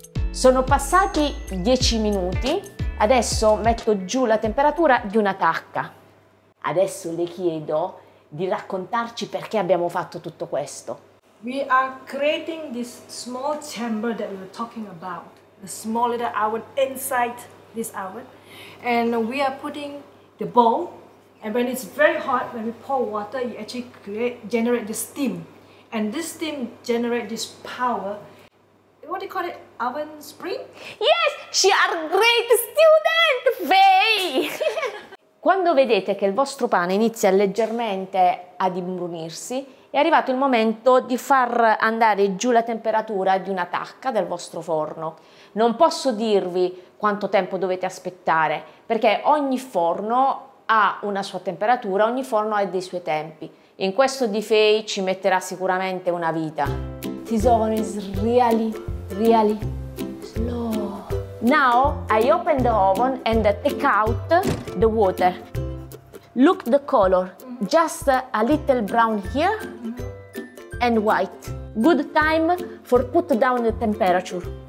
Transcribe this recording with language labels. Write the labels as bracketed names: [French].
[Italian] Sono passati 10 minuti, adesso metto giù la temperatura di una tacca. Adesso le chiedo di raccontarci perché abbiamo fatto tutto questo. [English] We are creating this small chamber that we were talking about, the small little oven inside this oven. And we are putting the bowl, and when it's very hot, when we pour water, you actually generate the steam. And this steam generates this power. What do you call it? Oven spring? Yes! She are a great student, Faye! [Italian] Quando vedete che il vostro pane inizia leggermente ad imbrunirsi, è arrivato il momento di far andare giù la temperatura di una tacca del vostro forno. Non posso dirvi quanto tempo dovete aspettare, perché ogni forno ha una sua temperatura, ogni forno ha dei suoi tempi. In questo di Faye ci metterà sicuramente una vita. [English] This oven is really, really slow. Now I open the oven and take out the water. Look the color, just a little brown here and white. Good time for put down the temperature.